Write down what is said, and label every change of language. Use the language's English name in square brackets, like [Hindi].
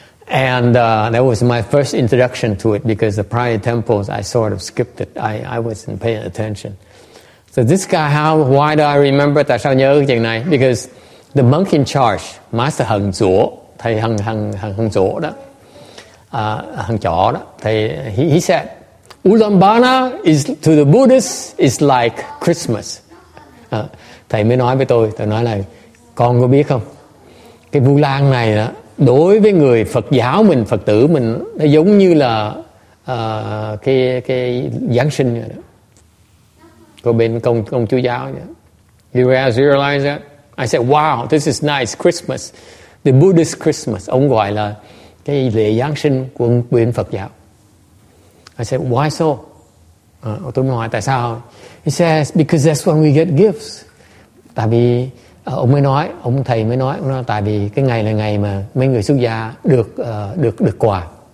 [English] And that was my first introduction to it, because the prior temples I sort of skipped it. I wasn't paying attention. So this guy, why do I remember [Vietnamese] tại sao nhớ chuyện này? [English] Because the monk in charge, Master Hằng Chổ, thầy Hằng Chổ đó, Hằng Chổ đó, thầy, he said, Ulambana is to the Buddhists is like Christmas. [Vietnamese] Thầy mới nói với tôi, thầy nói là, con có biết không? Cái Vu Lan này đó, đối với người Phật giáo mình, Phật tử mình, nó giống như là cái Giáng sinh vậy đó. Có bên công chúa giáo vậy. [English] You guys realize that? I said, wow, this is nice, Christmas. The Buddhist Christmas. [Vietnamese] Ông gọi là cái lễ Giáng sinh của bên Phật giáo. [English] I said, why so? [Vietnamese] Tôi mới hỏi tại sao? [English] He says, because that's when we get gifts. [Vietnamese] Tại vì ông thầy mới nói, tại vì cái ngày là ngày mà mấy người xuất gia được được quà.